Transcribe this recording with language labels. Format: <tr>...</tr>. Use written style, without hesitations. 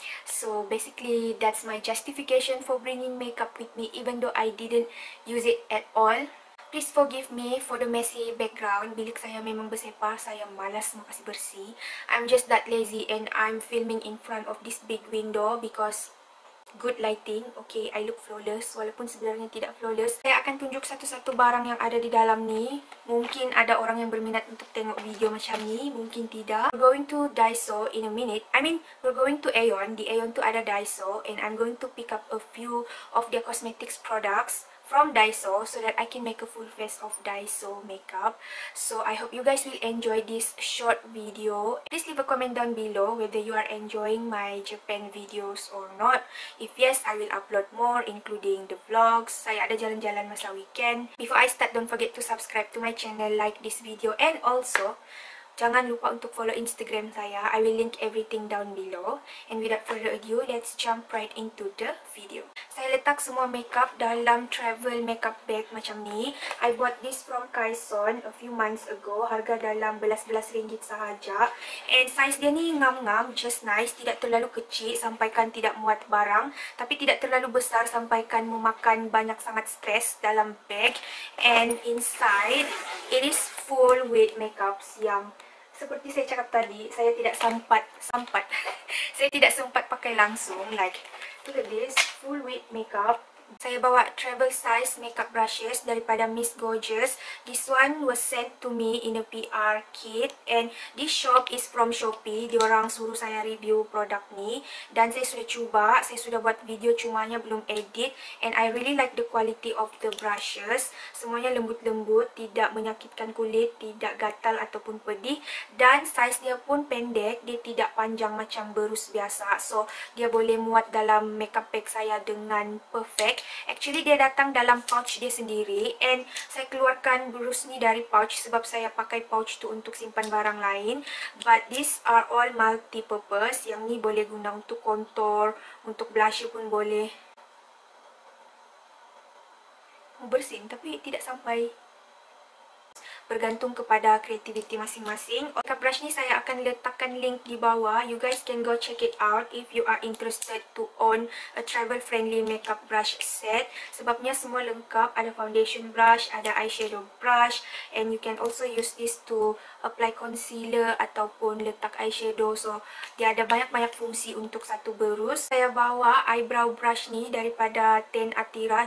<en>So basically, that's my justification for bringing makeup with me even though I didn't use it at all. Please forgive me for the messy background.</en> <ms>Bilik saya memang bersepa, saya malas mau kasih bersih.</ms> <en>I'm just that lazy and I'm filming in front of this big window because good lighting. Okay, I look flawless</en> <ms>walaupun sebenarnya tidak flawless. Saya akan tunjuk satu-satu barang yang ada di dalam ni. Mungkin ada orang yang berminat untuk tengok video macam ni, mungkin tidak.</ms> <en>We're going to Daiso in a minute. I mean, we're going to Aeon.</en> <ms>Di Aeon tu ada</ms> <en>Daiso and I'm going to pick up a few of their cosmetics products from Daiso so that I can make a full face of Daiso makeup. So I hope you guys will enjoy this short video. Please leave a comment down below whether you are enjoying my Japan videos or not. If yes, I will upload more including the vlogs.</en> <ms>Saya ada jalan-jalan masa weekend.</ms> <en>Before I start, don't forget to subscribe to my channel, like this video, and also</en> <ms>jangan lupa untuk follow Instagram saya.</ms> <en>I will link everything down below. And without further ado, let's jump right into the video.</en> <ms>Saya letak semua makeup dalam travel makeup bag macam ni.</ms> <en>I bought this from Kaison a few months ago.</en> <ms>Harga dalam belas-belas ringgit sahaja. And size dia ni ngam-ngam,</ms> <en>just nice.</en> <ms>Tidak terlalu kecil sampaikan tidak muat barang. Tapi tidak terlalu besar sampaikan memakan banyak sangat stres dalam bag.</ms> <en>And inside, it is full with makeups</en> <ms>yang seperti saya cakap tadi, saya tidak sempat. Saya tidak sempat pakai langsung.</ms> <en>Like, look at this. Full weight makeup.</en> <ms>Saya bawa travel size makeup brushes daripada Miss Gorgeous.</ms> <en>This one was sent to me in a PR kit. And this shop is from Shopee.</en> <ms>Diorang suruh saya review produk ni. Dan saya sudah cuba. Saya sudah buat video cumanya belum edit.</ms> <en>And I really like the quality of the brushes.</en> <ms>Semuanya lembut-lembut. Tidak menyakitkan kulit. Tidak gatal ataupun pedih. Dan size dia pun pendek. Dia tidak panjang macam berus biasa. So, dia boleh muat dalam makeup bag saya dengan perfect. Actually, dia datang dalam pouch dia sendiri and saya keluarkan brush ni dari pouch sebab saya pakai pouch tu untuk simpan barang lain.</ms> <en>But these are all multi-purpose.</en> <ms>Yang ni boleh guna untuk contour, untuk blusher pun boleh. Bersin tapi tidak sampai. Bergantung kepada kreativiti masing-masing. Makeup brush ni saya akan letakkan link di bawah.</ms> <en>You guys can go check it out if you are interested to own a travel friendly makeup brush set.</en> <ms>Sebabnya semua lengkap. Ada foundation brush, ada eyeshadow brush.</ms> <en>And you can also use this to apply concealer</en> <ms>ataupun letak</ms> <en>eyeshadow.</en> <ms>So, dia ada banyak-banyak fungsi untuk satu berus. Saya bawa eyebrow brush ni daripada Ten Atira.</ms>